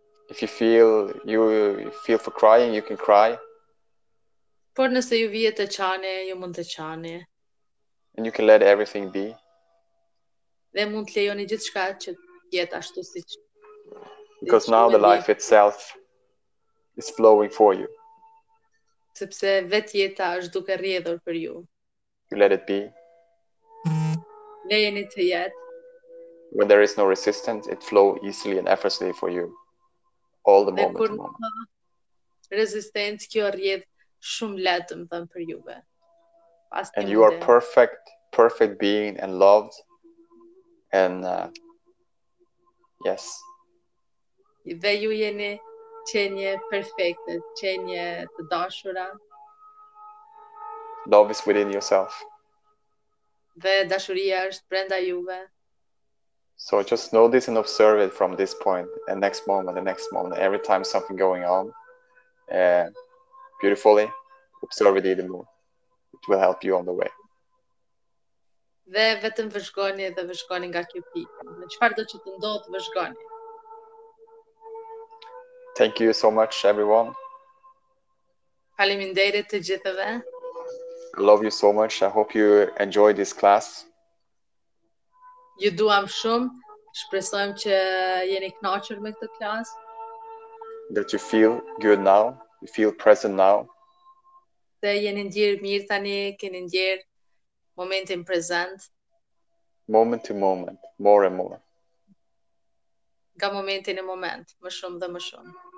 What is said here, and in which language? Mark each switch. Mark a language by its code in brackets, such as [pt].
[en] If you feel for crying, you can cry. [sq] Por nëse ju vjet të qani, ju mund të qani. [en] And you can let everything be. [sq] Dhe mund të lejoni gjithçka që jet ashtu siç. [en] Because now the life itself is flowing for you. [sq] Sepse vet jeta është duke rrjedhur për ju. [en] You let it be. [sq] Lejeni të jet. [en] When there is no resistance, it flows easily and effortlessly for you. All the moment. [sq] Kur resistance, kjo rrjedh shumë lehtë më thënë për juve. [en] And you are perfect, perfect being and loved. And yes. [sq] Dhe ju jeni qenje perfekte, qenje të dashura. [en] Love is within yourself. [sq] Dhe dashuria është brenda juve. [en] So just notice and observe it from this point, and next moment, the next moment, every time something going on, beautifully, observe it even more. It will help you on the way. [sq] Dhe vetëm vëzhgoni dhe vëzhgoni nga kjo pikë. Në çfarëdo që të ndodhë, vëzhgoni. [en] Thank you so much, everyone. [sq] Faleminderit të gjithëve. [en] I love you so much. I hope you enjoy this class. [sq] Ju duam shumë, shpresojmë që jeni kënaqur me këtë klasë. [en] That you feel good now, you feel present now. [sq] Dhe jeni ndjerë mirë tani, keni ndjerë momentin prezent. [en] Moment to moment, more and more. [sq] Nga momenti në moment, më shumë dhe më shumë.